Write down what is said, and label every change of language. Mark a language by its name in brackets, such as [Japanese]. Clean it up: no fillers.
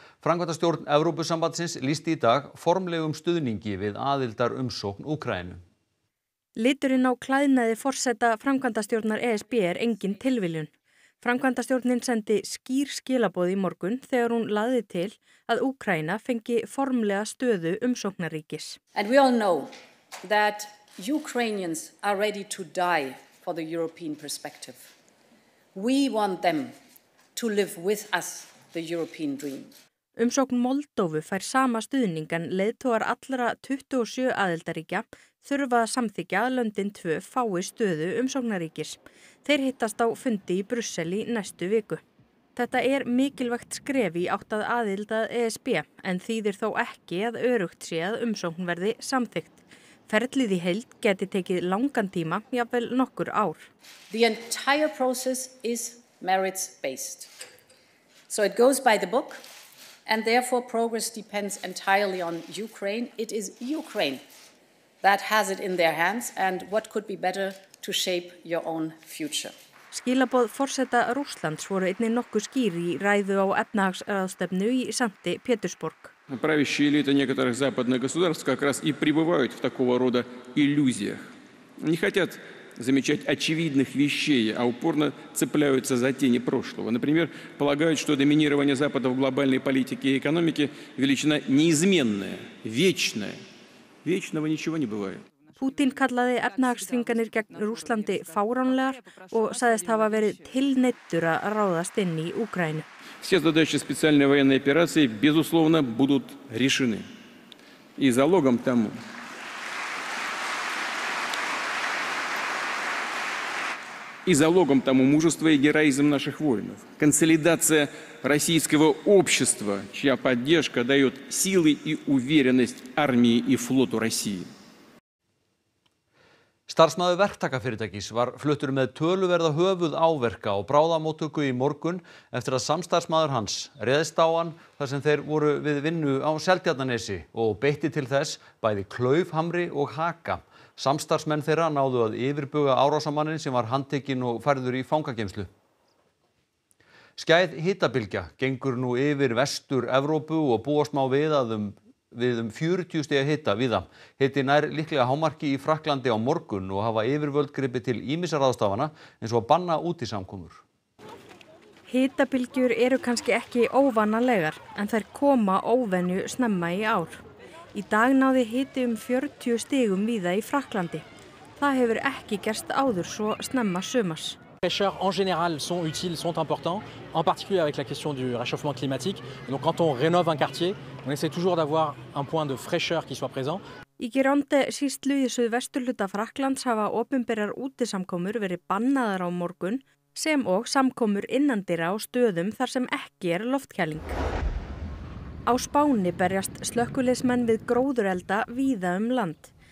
[Icelandic] Framkvæmdastjórn Evrópusambandsins lýsti í dag formlegum stuðningi við aðildar umsókn Úkraínu. Liturinn á klæðnaði forseta framkvæmdastjórnar ESB engin tilviljun. Framkvæmdastjórnin sendi skýr skilaboð í morgun þegar hún lagði til að Úkraína fengi formlega stöðu umsóknarríkis. [English] And we all know that Ukrainians are ready to die for the European perspective. We want them to live with us the European dream. [Icelandic] Umsókn Moldóvu fær sama stuðning en leiðtogar allra 27 aðildarríkja þurfa að samþykkja að löndin tvö fái stöðu umsóknarríkis. Þeir hittast á fundi í Brussel í næstu viku. Þetta mikilvægt skref í átt að aðild að ESB en þýðir þó ekki að öruggt sé að umsókn verði samþykkt. Ferlið í heild geti tekið langan tíma, jafnvel nokkur ár. [English] The entire process is merits based. So it goes by the book and therefore progress depends entirely on Ukraine. It is Ukraine that has it in their hands and what could be better to shape your own future. [Icelandic] Skilaboð forseta Rússlands voru einnig nokkuð skýr í ræðu á efnahagsráðstefnu í Sankti Pétursborg. [Russian] Правящие элиты некоторых западных государств как раз и пребывают в такого рода иллюзиях. Они хотят замечать очевидных вещей, а упорно цепляются за тени прошлого. Например, полагают, что доминирование Запада в глобальной политике и экономике – величина неизменная, вечная. Вечного ничего не бывает. [Icelandic] Путин kallaði efnahagsþvinganir gegn Rússlandi fáránlegar og sagðist hafa verið tilneyddur að ráðast inn í Úkraínu. [Russian] Все задачи специальной военной операции, безусловно, будут решены. И залогом тому. И залогом тому мужество и героизм наших воинов. Консолидация российского общества, чья поддержка дает силы и уверенность армии и флоту России. [Icelandic] Starfsmaður verktakafyrirtækis var fluttur með töluverða höfuð áverka á bráðamóttöku í morgun eftir að samstarfsmaður hans réðist á hann þar sem þeir voru við vinnu á Seltjarnarnesi og beitti til þess bæði klaufhamri og haka. Samstarfsmenn þeirra náðu að yfirbuga árásamanninn sem var handtekinn og færður í fangageymslu. Skæð hitabylgja gengur nú yfir vestur Evrópu og búast má við að við 40 stiga hita víða. Hiti nær líklega hámarki í Frakklandi á morgun og hafa yfirvöld gripið til ýmissa ráðstafana eins og að banna útisamkomur. Hitabylgjur eru kannski ekki óvanalegar en þær koma óvenju snemma í ár. Í dag náði hiti 40 stigum víða í Frakklandi. Það hefur ekki gerst áður svo snemma sumars. [French] Pêcheurs en général sont utiles, sont importants, en particulier avec la question du réchauffement climatique. Et donc quand on rénove un quartier, on essaie toujours d'avoir un point de fraîcheur qui soit présent. [Icelandic] Í Gironde, sýslu í suðvesturhluta Frakklands, hafa opinberar útisamkomur verið bannaðar á morgun, sem og samkomur innandyra á stöðum þar sem ekki loftkæling. Á Spáni berjast slökkviliðsmenn við gróðurelda víða land.